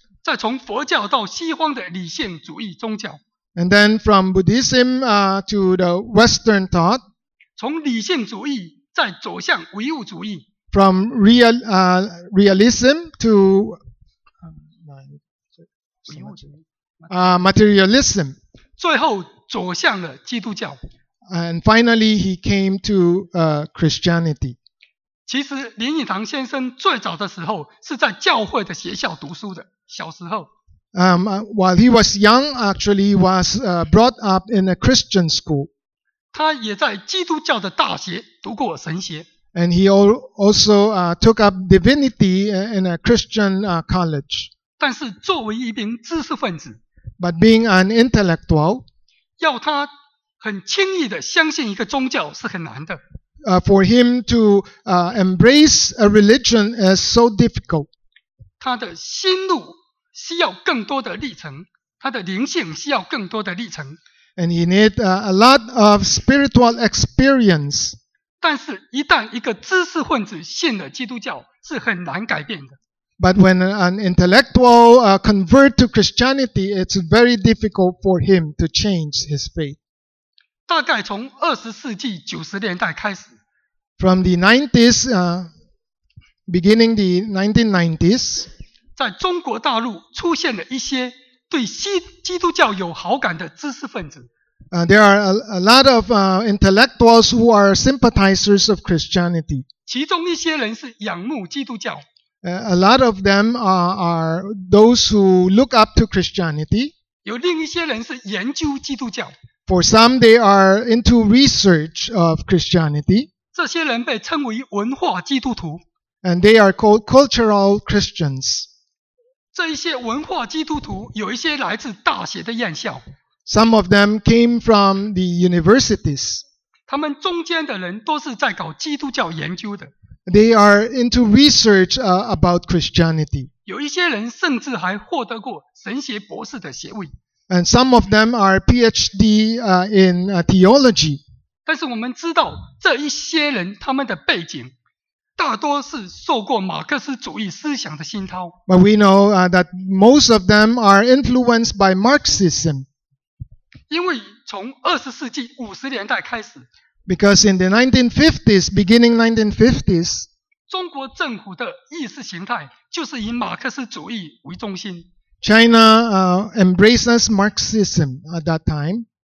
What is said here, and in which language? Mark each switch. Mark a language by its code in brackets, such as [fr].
[zh] 再从佛教到西方的理性主义宗教 [en] and then from Buddhism to the Western thought [zh] 从理性主义再走向唯物主义 [en] from realism to materialism [zh] 最后走向了基督教。 [en] And finally, he came to Christianity. [zh] 其实林语堂先生最早的时候是在教会的学校读书的，小时候。 [en] While he was young, actually was brought up in a Christian school. [zh] 他也在基督教的大学读过神学。 [en] And he also took up divinity in a Christian college. [zh] 但是作为一名知识分子 [en] ，But being an intellectual. [zh] 要他很轻易的相信一个宗教是很难的。 [en] For him to embrace a religion is so difficult. [zh] 他的心路需要更多的历程，他的灵性需要更多的历程。 [en] And he need a lot of spiritual experience. [zh] 但是一旦一个知识分子信了基督教，是很难改变的。 [en] But when an intellectual convert to Christianity, it's very difficult for him to change his faith. [zh] 大概从二十世纪九十年代开始 [en] ，from the 90s, beginning the 1990s, [zh] 在中国大陆出现了一些对基督教有好感的知识分子。 [en] There are a lot of intellectuals who are sympathizers of Christianity. [zh] 其中一些人是仰慕基督教。 [en] A lot of them are those who look up to Christianity. [zh] 有另一些人是研究基督教。 [en] For some, they are into research of Christianity. [zh] 这些人被称为文化基督徒。 [en] And they are called cultural Christians. [zh] 这一些文化基督徒有一些来自大学的院校。 [en] Some of them came from the universities. [zh] 他们中间的人都是在搞基督教研究的。 [en] They are into research about Christianity. [zh] 有一些人甚至还获得过神学博士的学位。 [en] And some of them are PhD in theology. [zh] 但是我们知道这一些人他们的背景大多是受过马克思主义思想的熏陶。 [en] But we know that most of them are influenced by Marxism. [zh] 因为从二十世纪五十年代开始 [en] Because in the 1950s, beginning 1950s, [zh] 中国政府的意识形态就是以马克思主义为中心。 [en] China embraces Marxism at that time.